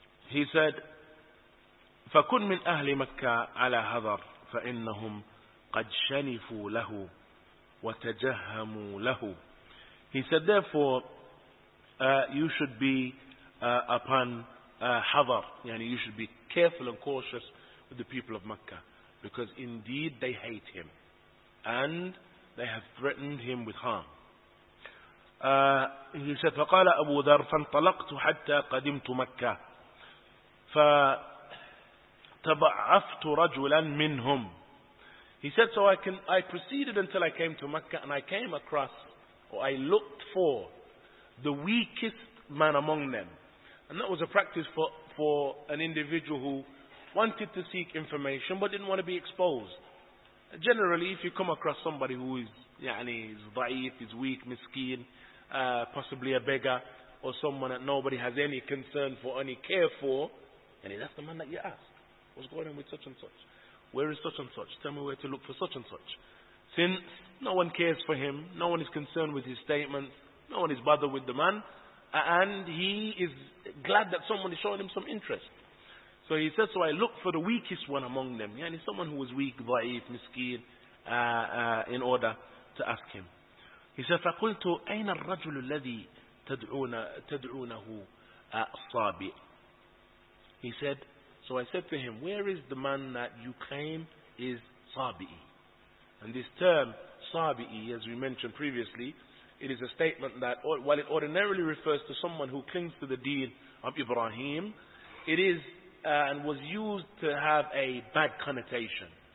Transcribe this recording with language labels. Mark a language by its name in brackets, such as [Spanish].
[English] He said, [Arabic] فَكُنْ مِنْ أَهْلِ مَكَّةَ عَلَى هَذَرْ فَإِنَّهُمْ قَدْ شَنِفُوا لَهُ وَتَجَهَّمُوا لَهُ. [English] He said, therefore, you should be upon Hadar. You should be careful and cautious with the people of Makkah, because indeed they hate him, and they have threatened him with harm. He said, [Arabic] فَقَالَ أَبُو ذَرْ فَانْطَلَقْتُ حَتَّى قَدِمْتُ مَكَّةِ فَتَبَعَفْتُ رَجُلًا مِّنْهُمْ. [English] He said, so I proceeded until I came to Mecca, and I came across, or I looked for, the weakest man among them. And that was a practice for an individual who wanted to seek information but didn't want to be exposed. Generally, if you come across somebody who is, yani, is da'if, is weak, miskeen, possibly a beggar, or someone that nobody has any concern for, any care for, yani, that's the man that you ask. What's going on with such and such? Where is such and such? Tell me where to look for such and such. Since no one cares for him, no one is concerned with his statements, no one is bothered with the man, and he is glad that someone is showing him some interest. So he says, so I look for the weakest one among them. Yeah, and it's someone who was weak, ضعيف, miskeen, in order to ask him. He says, [Arabic] فَقُلْتُ أَيْنَ الرَّجُلُ الَّذِي تَدْعُونَهُ الصَّابِعِ. [English] He said, so I said to him, where is the man that you claim is Sabi'i? And this term, Sabi'i, as we mentioned previously, it is a statement that, while it ordinarily refers to someone who clings to the deen of Ibrahim, it is and was used to have a bad connotation.